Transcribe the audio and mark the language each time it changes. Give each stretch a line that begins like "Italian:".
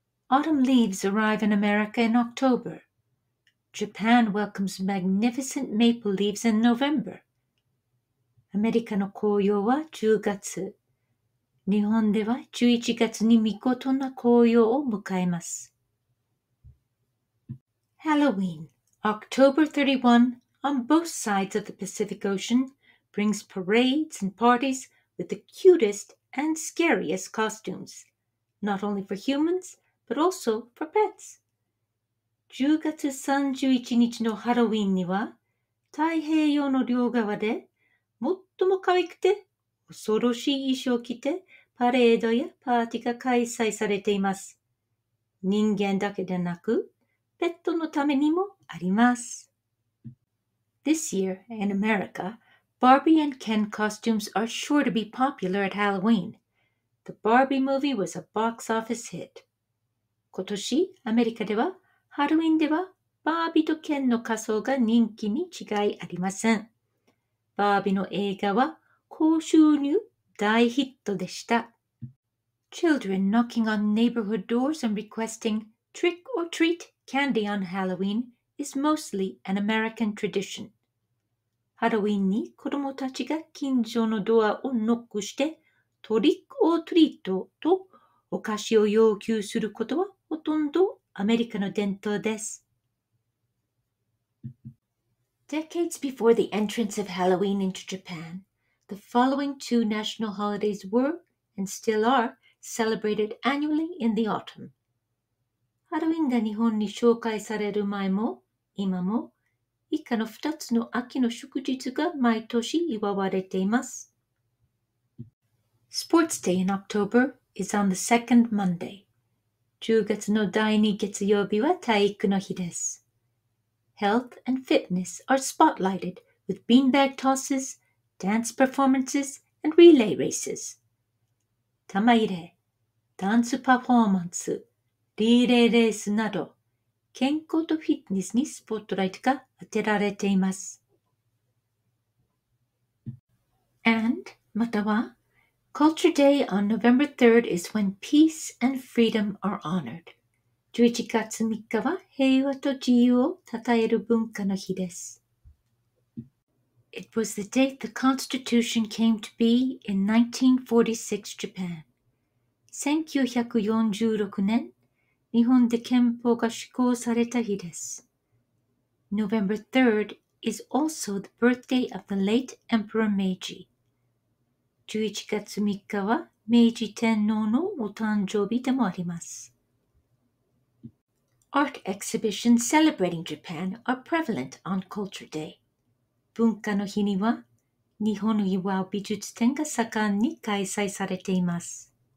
English: Autumn leaves arrive in America in October. Japan welcomes magnificent maple leaves in November.
Japanese: アメリカの紅葉は10月。日本では11月に見事な紅葉を迎えます。
English: Halloween, October 31. On both sides of the Pacific Ocean, brings parades and parties with the cutest and scariest costumes, not only for humans, but also for pets.
Japanese: 10月31日のハロウィンには、太平洋の両側で、最も可愛くて恐ろしい衣装を着て、パレードやパーティーが開催されています。人間だけでなく、ペットのためにもあります。
English: This year, in America, Barbie and Ken costumes are sure to be popular at Halloween. The Barbie movie was a box office hit.
Japanese: 今年、アメリカでは、ハロウィンでは、バービーとケンの仮装が人気に違いありません。バービーの映画は、高収入大ヒットでした。
English: Children knocking on neighborhood doors and requesting trick or treat candy on Halloween is mostly an American tradition.
Japanese: ハロウィンに子供たちが近所のドアをノックしてトリック・オー・トリートとお菓子を要求することはほとんどアメリカの伝統です。
English: Decades before the entrance of Halloween into Japan, the following two national holidays were, and still are, celebrated annually in the autumn.
Japanese: ハロウィンが日本に紹介される前も、今も、以下の2つの秋の祝日が毎年祝われています。
English: Sports Day in October is on the second Monday.
Japanese: 10月の第2月曜日は体育の日です。
English: Health and fitness are spotlighted with beanbag tosses, dance performances, and relay races.
Japanese: 玉入れ、ダンスパフォーマンス、リレーレースなど、健康とフィットネスにスポットライトが当てられています。
English: And, または、Culture Day on November 3rd is when peace and freedom are honored.
Japanese: 11月3日は平和と自由をたたえる文化の日です。
English: It was the date the Constitution came to be in 1946 Japan.
Japanese: 1946年、日本で憲法が施行された日です。
English: November 3rd is also the birthday of the late Emperor Meiji.
Japanese: 11月3日は明治天皇のお誕生日でもあります。
English: Art exhibitions celebrating Japan are prevalent on Culture Day.
Japanese: 文化の日には日本の祝う美術展が盛んに開催されています。